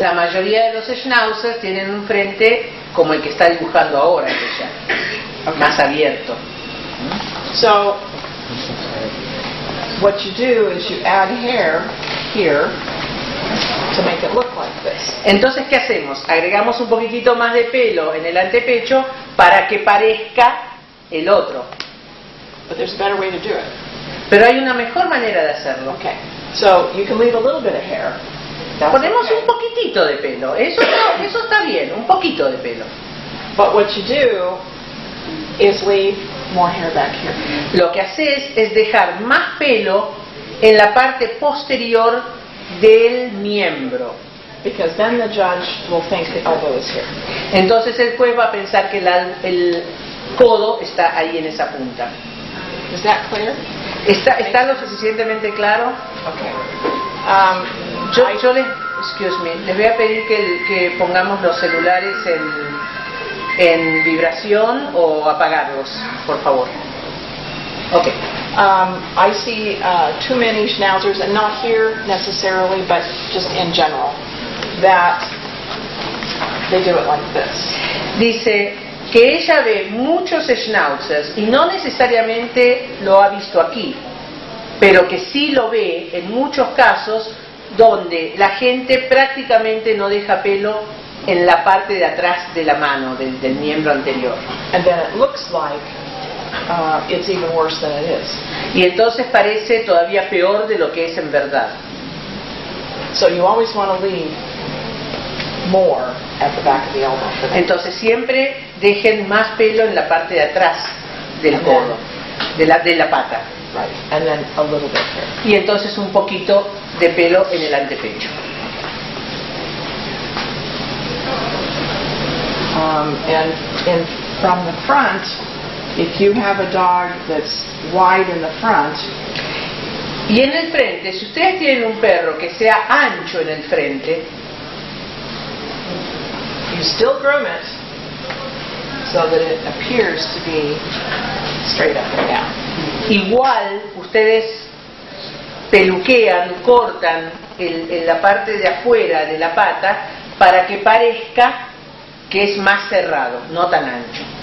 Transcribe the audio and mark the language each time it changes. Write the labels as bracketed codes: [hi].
[es] La mayoría de los schnauzers tienen un frente como el que está dibujando ahora, ella, okay. Más abierto. [en] So what you do is you add hair here to make it look like this. [es] Entonces, ¿qué hacemos? Agregamos un poquitito más de pelo en el antepecho para que parezca el otro. [en] But there's a better way to do it. [es] Pero hay una mejor manera de hacerlo. [en] Okay. So you can leave a little bit of hair. [es] That's ponemos okay. Un poquitito de pelo. Eso está bien, un poquito de pelo. [en] But what you do is leave more hair back here. [es] Lo que haces es dejar más pelo en la parte posterior del miembro. [en] Because then the judge will think the elbow is here. [es] Entonces el juez va a pensar que el codo está ahí en esa punta. [en] Is that clear? [es] ¿Está lo suficientemente claro? [en] Okay. [es] Les voy a pedir que pongamos los celulares en vibración o apagarlos, por favor. [en] Okay. I see too many schnauzers, and not here necessarily, but just in general, that they do it like this. [es] Dice que ella ve muchos schnauzers, y no necesariamente lo ha visto aquí, pero que sí lo ve en muchos casos donde la gente prácticamente no deja pelo en la parte de atrás de la mano del miembro anterior. [en] And then it looks like it's even worse than it is. [es] Y entonces parece todavía peor de lo que es en verdad. [en] So you always want to leave more at the back of the elbow. [es] Entonces siempre dejen más pelo en la parte de atrás del codo. de la pata. [en] Right. And then a little bit here. [es] Y entonces un poquito de pelo en el antepecho. [en] And from the front, if you have a dog that's wide in the front. [es] Y en el frente, si ustedes tienen un perro que sea ancho en el frente, [en] you still groom it so that it appears to be straight up and down. [es] Igual ustedes peluquean, cortan en la parte de afuera de la pata para que parezca que es más cerrado, no tan ancho.